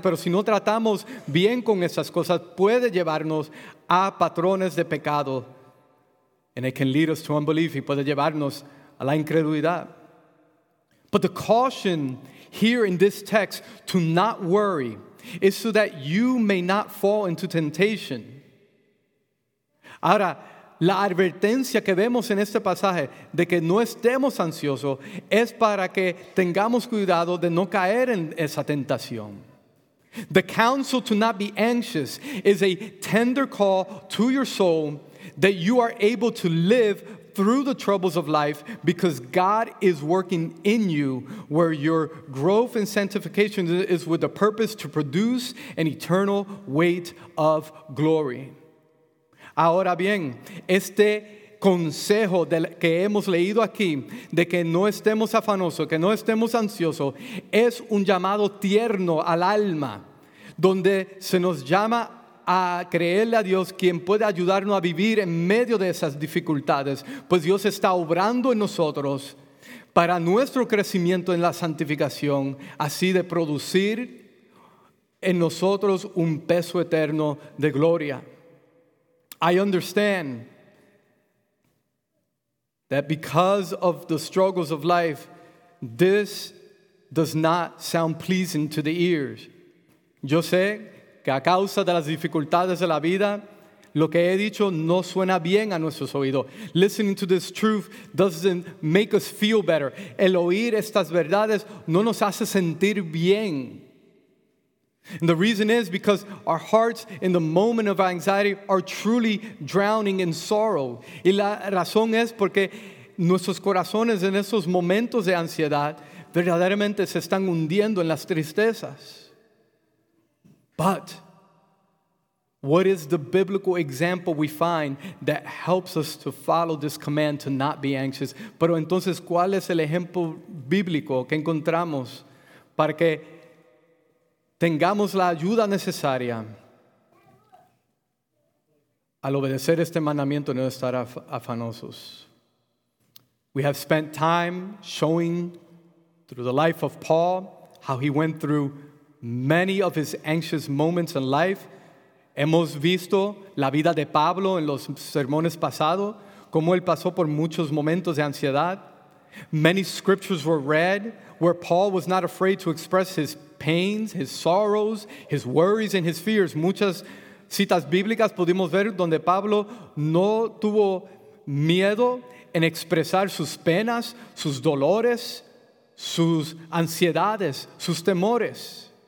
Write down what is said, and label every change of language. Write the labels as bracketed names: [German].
[Spanish] Pero si no tratamos bien con esas cosas, puede llevarnos a patrones de pecado. [English] And it can lead us to unbelief. [Spanish] Y puede llevarnos a la incredulidad. [English] But the caution here in this text to not worry is so that you may not fall into temptation. [Spanish] Ahora, la advertencia que vemos en este pasaje de que no estemos ansiosos es para que tengamos cuidado de no caer en esa tentación. [English] The counsel to not be anxious is a tender call to your soul that you are able to live through the troubles of life because God is working in you where your growth and sanctification is with the purpose to produce an eternal weight of glory. [Spanish] Ahora bien, este consejo del que hemos leído aquí, de que no estemos afanosos, que no estemos ansiosos, es un llamado tierno al alma, donde se nos llama a creerle a Dios, quien puede ayudarnos a vivir en medio de esas dificultades, pues Dios está obrando en nosotros para nuestro crecimiento en la santificación, así de producir en nosotros un peso eterno de gloria. [English] I understand that because of the struggles of life, this does not sound pleasing to the ears. [Spanish] Yo sé que a causa de las dificultades de la vida, lo que he dicho no suena bien a nuestros oídos. [English] Listening to this truth doesn't make us feel better. [Spanish] El oír estas verdades no nos hace sentir bien. [English] And the reason is because our hearts in the moment of anxiety are truly drowning in sorrow. [Spanish] Y la razón es porque nuestros corazones en esos momentos de ansiedad verdaderamente se están hundiendo en las tristezas. [English] But what is the biblical example we find that helps us to follow this command to not be anxious? [Spanish] Pero entonces, ¿cuál es el ejemplo bíblico que encontramos para que tengamos la ayuda necesaria al obedecer este mandamiento de no estar afanosos? [English] We have spent time showing through the life of Paul how he went through many of his anxious moments in life. [Spanish] Hemos visto la vida de Pablo en los sermones pasados, cómo él pasó por muchos momentos de ansiedad. [English] Many scriptures were read where Paul was not afraid to express his pains, his sorrows, his worries, and his fears. [Spanish] Muchas citas bíblicas pudimos ver donde Pablo no tuvo miedo en expresar sus penas, sus dolores, sus ansiedades, sus temores.